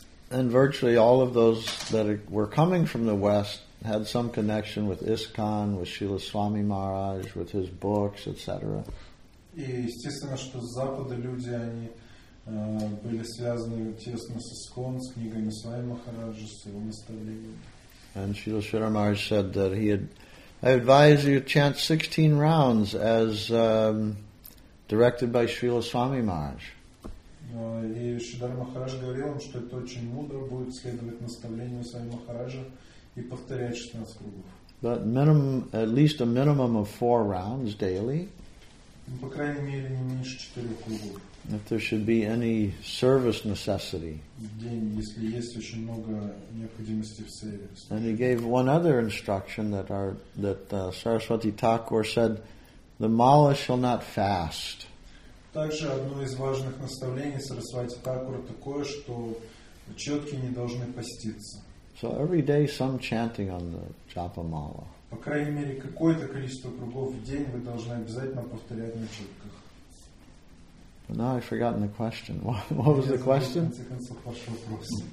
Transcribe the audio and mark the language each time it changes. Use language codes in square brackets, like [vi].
[en] And virtually all of those that were coming from the West had some connection with ISKCON, with Srila Swami Maharaj, with his books, etc. [ru] И естественно, что с Запада люди, они были связаны тесно с ISKCON, с книгами Свами Махараджа, с его наставлениями. [en] And Srila Shridhara Maharaj said that he had, I advise you to chant 16 rounds as directed by Srila Swami Maharaj. [ru] И Шридхара Махарадж говорил им, что это очень мудро будет следовать наставлению Свами Махараджа и повторять 16 кругов. [en] But minimum, at least a minimum of 4 rounds daily. [ru] Ну, по крайней мере, не меньше 4 кругов. [en] If there should be any service necessity. [ru] В день, если есть очень много необходимости в сервис. [en] And he gave one other instruction that Saraswati Thakur said, the mala shall not fast. [ru] Также одно из важных наставлений Сарасвати Такура такое, что четки не должны поститься. [en] So every day some chanting on the Japa Mala. [ru] По крайней мере, какое-то количество кругов в день вы должны обязательно повторять на четках. [en] But now I've forgotten the question. What was the question? [ru] Я забыл, в конце концов, ваш вопрос.